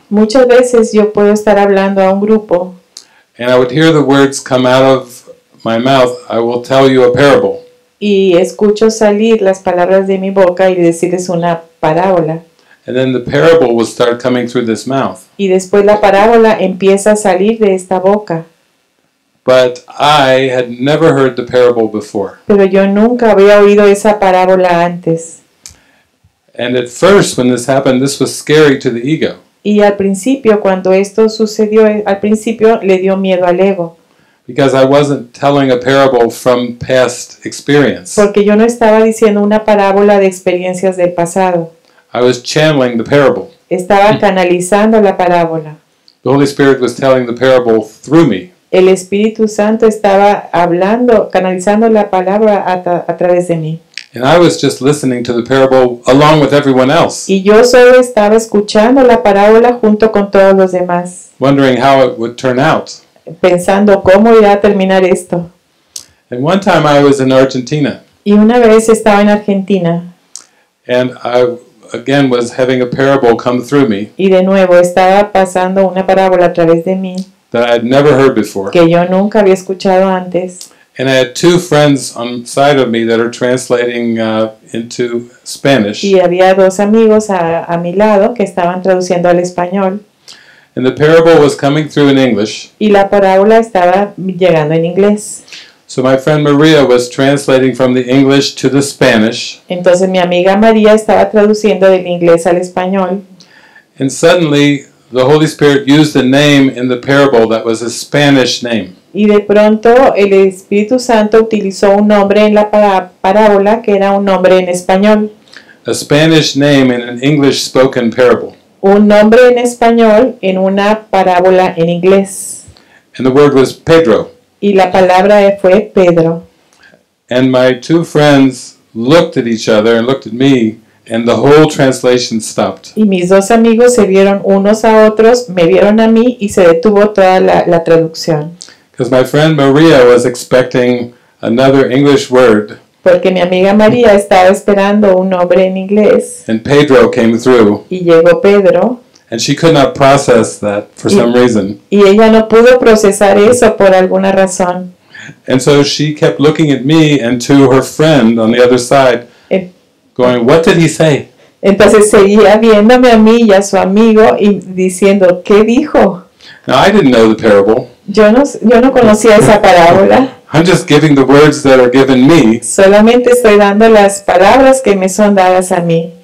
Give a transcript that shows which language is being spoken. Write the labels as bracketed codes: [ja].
[es] Muchas veces yo puedo estar hablando a un grupo. [en] And I would hear the words come out of my mouth, I will tell you a parable. [es] Y escucho salir las palabras de mi boca y decirles una parábola. [en] And then the parable will start coming through this mouth. [es] Y después la parábola empieza a salir de esta boca. [en] But I had never heard the parable before. [es] Pero yo nunca había oído esa parábola antes. [en] And at first, when this happened, this was scary to the ego. [es] Y al principio, cuando esto sucedió, al principio le dio miedo al ego. [en] Because I wasn't telling a parable from past experience. [es] Porque yo no estaba diciendo una parábola de experiencias del pasado. [en] I was channeling the parable. [es] Estaba canalizando la parábola. [en] The Holy Spirit was telling the parable through me. [es] El Espíritu Santo estaba hablando, canalizando la palabra a través de mí. [en] And I was just listening to the parable along with everyone else. [es] Y yo solo estaba escuchando la parábola junto con todos los demás. [en] Wondering how it would turn out. [es] Pensando cómo iba a terminar esto. [en] And one time I was in Argentina. [es] Y una vez estaba en Argentina. [en] And I again was having a parable come through me. [es] Y de nuevo estaba pasando una parábola a través de mí. [en] That I had never heard before. [es] Que yo nunca había escuchado antes. [en] And I had two friends on the side of me that are translating into Spanish. [es] Y había dos amigos a mi lado que estaban traduciendo al español. [en] And the parable was coming through in English. [es] Y la parábola estaba llegando en inglés. [en] So my friend Maria was translating from the English to the Spanish. [es] Entonces mi amiga María estaba traduciendo del inglés al español. [en] And suddenly the Holy Spirit used a name in the parable that was a Spanish name. [es] Y de pronto el Espíritu Santo utilizó un nombre en la parábola que era un nombre en español. [en] A Spanish name in an English spoken parable. [es] Un nombre en español en una parábola en inglés. [en] And the word was Pedro. [es] Y la palabra fue Pedro. [en] And my two friends looked at each other and looked at me and the whole translation stopped. [es] Y mis dos amigos se vieron unos a otros, me vieron a mí y se detuvo toda la traducción. [en] Because my friend Maria was expecting another English word. [es] Porque mi amiga María estaba esperando un nombre en inglés. [en] And Pedro came through. [es] Y llegó Pedro. [en] And she could not process that for some reason. [es] Y ella no pudo procesar eso por alguna razón. [en] And so she kept looking at me and to her friend on the other side, going, "What did he say?" [es] Entonces seguía viéndome a mí y a su amigo y diciendo, "¿Qué dijo?" [en] Now I didn't know the parable. [es] Yo no conocía esa parábola. [en] I'm just giving the words that are given me. [es] Solamente estoy dando las palabras que me son dadas a mí.